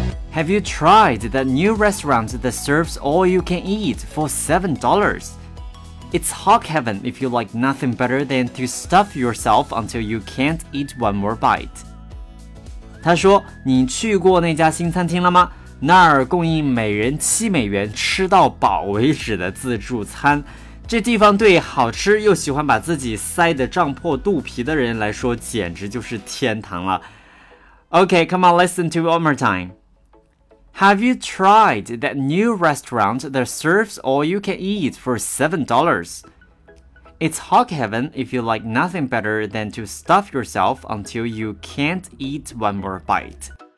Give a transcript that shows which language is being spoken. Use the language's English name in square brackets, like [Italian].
[English] Have you tried the new restaurant that serves all you can eat for $7? It's Hog Heaven if you like nothing better than to stuff yourself until you can't eat one more bite. [Chinese] 他说，你去过那家新餐厅了吗？那儿供应每人$7吃到饱为止的自助餐。这地方对好吃又喜欢把自己塞得胀破肚皮的人来说，简直就是天堂了。 [English] Okay, come on, listen to it one more time. Have you tried that new restaurant that serves all you can eat for $7? It's Hog Heaven if you like nothing better than to stuff yourself until you can't eat one more bite.